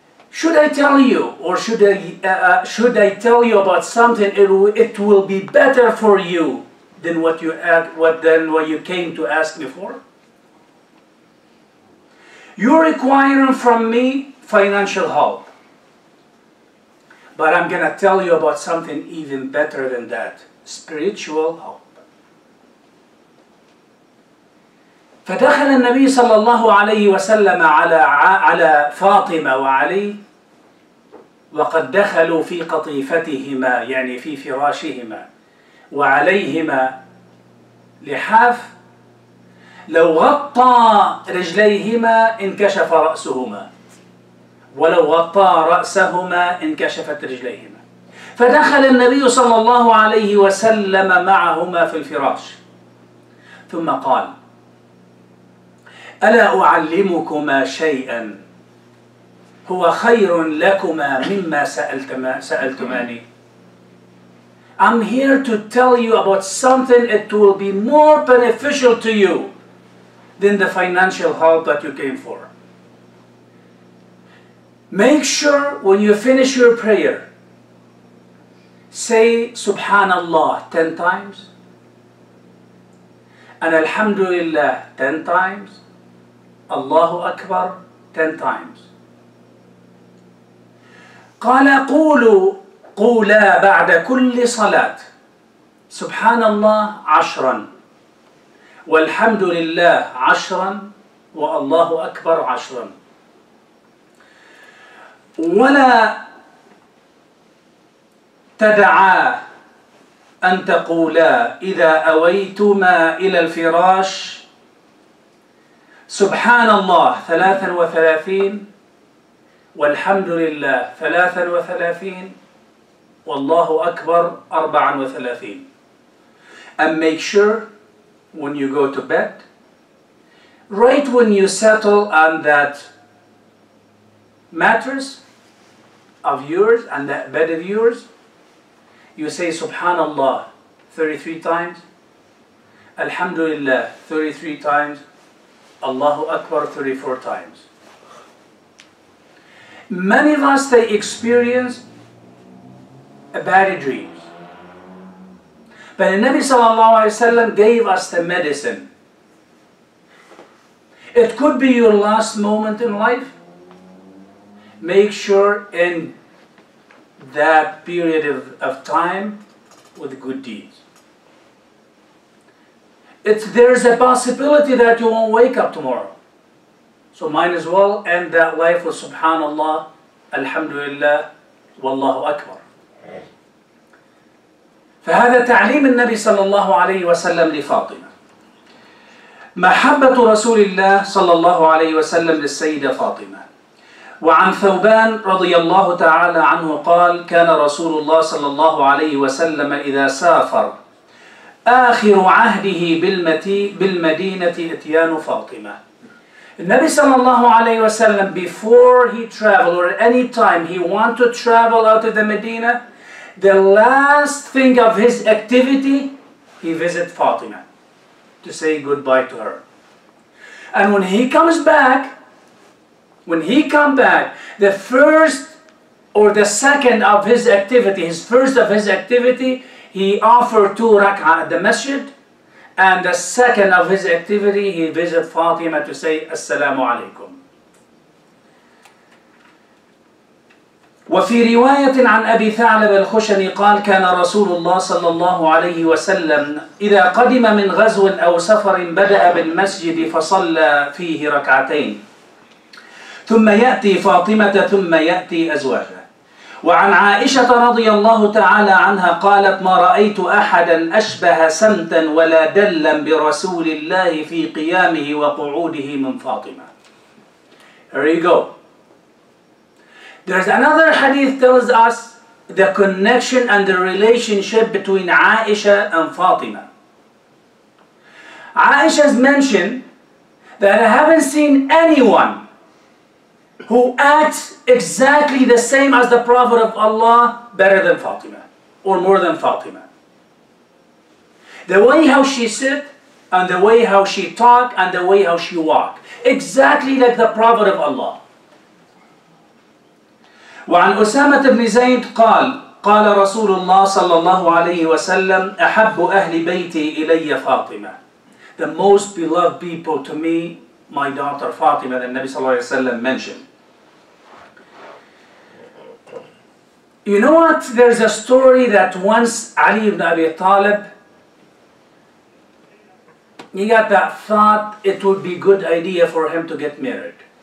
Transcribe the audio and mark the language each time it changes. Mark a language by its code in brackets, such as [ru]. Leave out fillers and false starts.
[en] Should I tell you, or should I tell you about something, it will be better for you than what you came to ask me for? You're requiring from me financial help. But I'm going to tell you about something even better than that. Spiritual help. [ar] فدخل النبي صلى الله عليه وسلم على فاطمة وعلي وقد دخلوا في قطيفتهما, يعني في فراشهما, وعليهما لحاف لو غطى رجليهما انكشف رأسهما ولو غطى رأسهما انكشفت رجليهما. فدخل النبي صلى الله عليه وسلم معهما في الفراش ثم قال ألا أعلمكما شيئا هو خير لكما مما سألتماني. [en] I'm here to tell you about something, it will be more beneficial to you than the financial help that you came for. Make sure when you finish your prayer, say Subhanallah 10 times, and Alhamdulillah 10 times, Allahu Akbar 10 times. [ar] قال قولوا قولا بعد كل صلاة Subhanallah 10. والحمد لله عشرا والله أكبر عشرا ولا تدعى أن تقولا إذا أويتما إلى الفراش سبحان الله 33 والحمد لله 33 والله أكبر 34. [en] And make sure when you go to bed, right when you settle on that mattress of yours and that bed of yours, you say Subhanallah 33 times, Alhamdulillah 33 times, Allahu Akbar 34 times. Many of us, they experience a bad dream. But the Nabi [ar] sallallahu alayhi wa sallam [en] gave us the medicine. It could be your last moment in life. Make sure in that period of time with good deeds. There's a possibility that you won't wake up tomorrow. So might as well end that life with Subhanallah, Alhamdulillah, Wallahu Akbar. [ar] فهذا تعليم النبي صلى الله عليه وسلم لفاطمة. محبة رسول الله صلى الله عليه وسلم للسيدة فاطمة. وعن ثوبان رضي الله تعالى عنه قال كان رسول الله صلى الله عليه وسلم إذا سافر آخر عهده بالمدينة إتيان فاطمة. النبي صلى الله عليه وسلم [en] before he traveled or any time he wanted to travel out of the Medina, the last thing of his activity, he visits Fatima to say goodbye to her. And when he comes back, the first or the second of his activity, his first of his activity, he offered 2 rak'ah at the masjid. And the second of his activity, he visits Fatima to say assalamu alaikum. [ar] وفي رواية عن أبي ثعلب الخشني قال كان رسول الله صلى الله عليه وسلم إذا قدم من غزو أو سفر بدأ بالمسجد فصلى فيه ركعتين ثم يأتي فاطمة ثم يأتي أزواجه. وعن عائشة رضي الله تعالى عنها قالت ما رأيت أحدا أشبه سمتا ولا دلا برسول الله في قيامه وقعوده من فاطمة. [en] Here you go. There's another hadith tells us the connection and the relationship between Aisha and Fatima. Aisha's mentioned that I haven't seen anyone who acts exactly the same as the Prophet of Allah better than Fatima or more than Fatima. The way how she sit and the way how she talk and the way how she walk, exactly like the Prophet of Allah. [ar] وعن أسامة بن زيد قال قال رسول الله صلى الله عليه وسلم أحب أهل بيتي إلي فاطمة. [en] The most beloved people to me, my daughter Fatima, the Nabi [ar] صلى الله عليه وسلم [en] mentioned. You know what? There's a story that once Ali ibn Abi Talib, he got that thought it would be a good idea for him to get married.